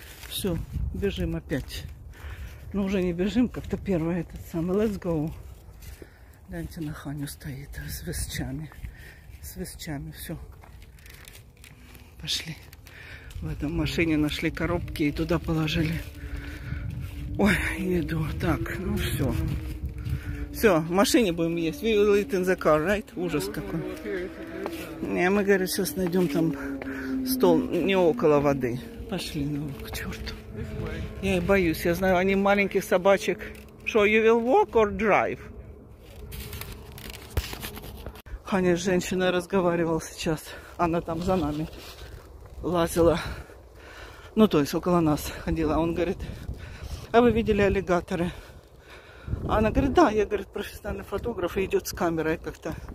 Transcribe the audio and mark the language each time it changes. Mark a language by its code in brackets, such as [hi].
[ru] Все, бежим опять. Ну, уже не бежим, как-то первый этот самый. [en] Let's go. [ru] Гляньте, на Ханю стоит с висчами. С висчами, все. Пошли. В этом машине нашли коробки и туда положили. Ой, еду. Так, ну все. Все, в машине будем есть. [en] We will eat in the car, right? [ru] Ужас какой. Не, мы, говорит, сейчас найдем там стол не около воды. Пошли, ну, к черту. Я и боюсь, я знаю, они маленьких собачек. [en] Что, you will walk or drive? [ru] Ханя с женщиной разговаривал сейчас. Она там за нами лазила. Ну, то есть, около нас ходила. Он говорит, а вы видели аллигаторы? Она говорит, да, я, говорит, профессиональный фотограф, и идет с камерой как-то.